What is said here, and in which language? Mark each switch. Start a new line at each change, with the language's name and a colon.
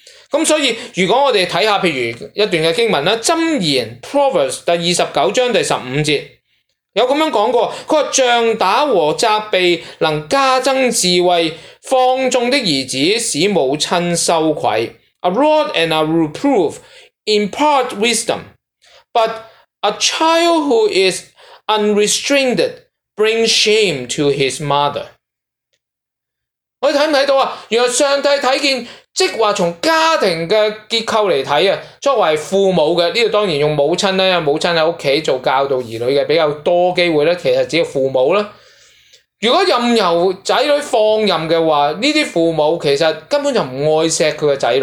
Cantonese: 咁所以如果我们看下譬如一段的经文，箴言 Proverbs 第29章第15节有咁样讲过，他说杖打和责备能加增智慧，放纵的儿子使母亲羞愧。
English: A rod and a reproof impart wisdom, but a child who is unrestrained brings shame to his mother.
Cantonese: 我们看不看到啊？原来上帝看见，即话从家庭的结构来看啊，作为父母的，这里当然用母亲啦，母亲在家做教导儿女的比较多机会，其实只有父母啦。如果任由仔女放任的话，这些父母其实根本就不爱锡他的仔女。